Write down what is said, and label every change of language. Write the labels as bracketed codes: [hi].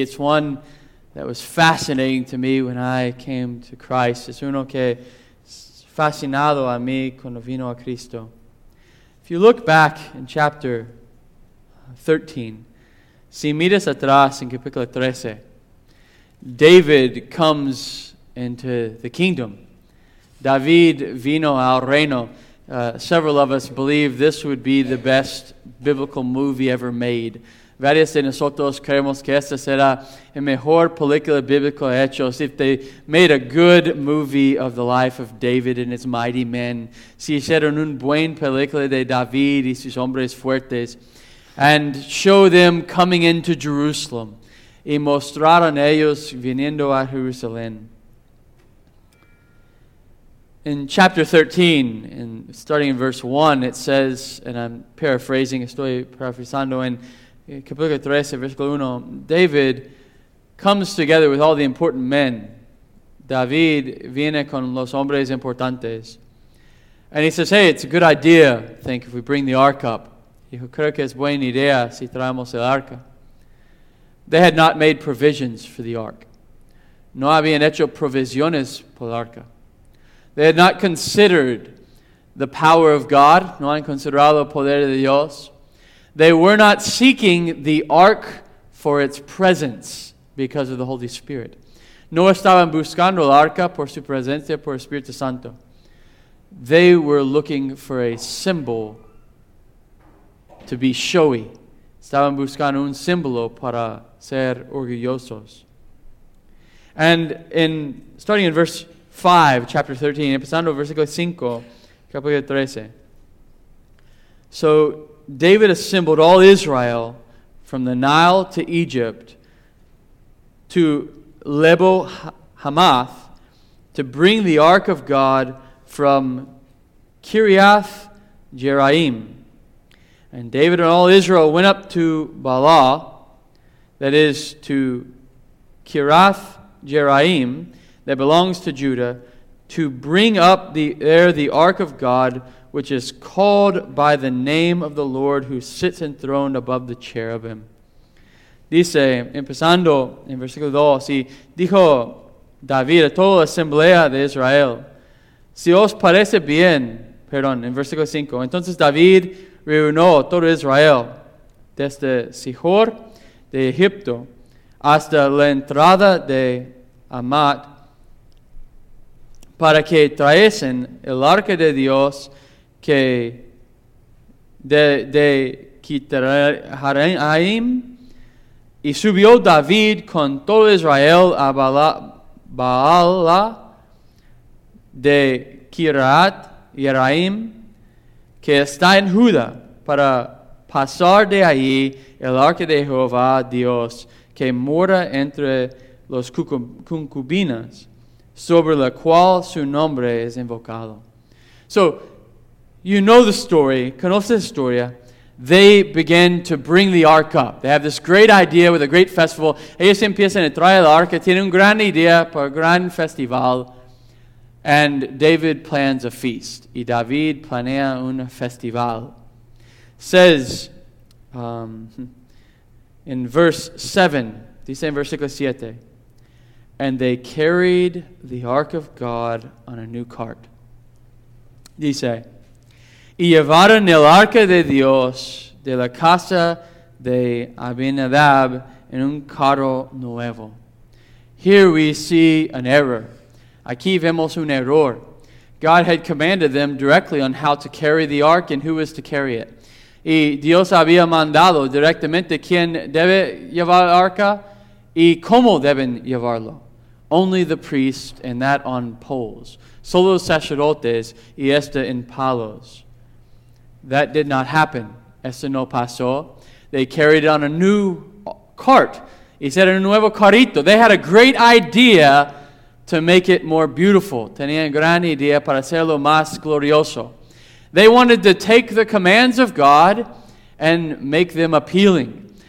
[en] It's one that was fascinating to me when I came to Christ. [es] Es uno que fascinado a mí cuando vino a Cristo. [en] If you look back in chapter 13, [es] si miras atrás en capítulo 13, [en] David comes into the kingdom. [es] David vino al reino. [en] Several of us believe this would be the best biblical movie ever made. [es] Varios de nosotros creemos que esta será el mejor película bíblica hecha. [en] If they made a good movie of the life of David and his mighty men, [es] si hicieron un buen película de David y sus hombres fuertes, [en] and show them coming into Jerusalem, [es] y mostraron ellos viniendo a Jerusalén. [en] In chapter 13, starting in verse 1, it says, and I'm paraphrasing, [es] estoy paraphrasando, [en] and [es] capítulo 13, versículo 1, [en] David comes together with all the important men. [es] David viene con los hombres importantes. [en] And he says, hey, it's a good idea, I think, if we bring the ark up. [es] Dijo, creo que es buena idea si traemos el arca. [en] They had not made provisions for the ark. [es] No habían hecho provisiones por el arca. [en] They had not considered the power of God. [es] No han considerado el poder de Dios. [en] They were not seeking the ark for its presence because of the Holy Spirit. [es] No estaban buscando el arca por su presencia, por el Espíritu Santo. [en] They were looking for a symbol to be showy. [es] Estaban buscando un símbolo para ser orgullosos. [en] And starting in verse 5, chapter 13, [es] empezando versículo 5, capítulo 13. [en] So David assembled all Israel from the Nile to Egypt to Lebo Hamath to bring the Ark of God from Kiriath Jearim. And David and all Israel went up to Baala, that is to Kiriath Jearim, that belongs to Judah, to bring up there the Ark of God, which is called by the name of the Lord who sits enthroned above the cherubim. [es] Dice, empezando en versículo 2, y dijo David a toda la asamblea de Israel, si os parece bien, perdón, en versículo 5, entonces David reunió todo Israel, desde Sihor de Egipto hasta la entrada de Amat, para que traesen el arca de Dios que de Kitarayim. Y subió David con todo Israel a Baala de Kiriath Jearim, que está en Judá, para pasar de allí el arca de Jehová Dios, que mora entre los concubinas, sobre la cual su nombre es invocado. [en] So, you know the story, [es] conoce la historia. [en] They begin to bring the ark up. They have this great idea with a great festival. [es] Ellos empiezan a traer el arca, tienen una gran idea para un gran festival. [en] And David plans a feast. [es] Y David planea un festival. [en] Says, in verse 7, [es] dice en versículo 7, [en] and they carried the ark of God on a new cart. [es] Dice, y llevaron el arca de Dios de la casa de Abinadab en un carro nuevo. [en] Here we see an error. [es] Aquí vemos un error. [en] God had commanded them directly on how to carry the ark and who was to carry it. [es] Y Dios había mandado directamente quién debe llevar el arca y cómo deben llevarlo. [en] Only the priest and that on poles. [es] Solo los sacerdotes y esta en palos. [en] That did not happen. [es] Eso no pasó. [en] They carried it on a new cart. He said, [es] un nuevo carrito. [en] They had a great idea to make it more beautiful. [es] Tenían gran idea para hacerlo más glorioso. [en] They wanted to take the commands of God and make them appealing.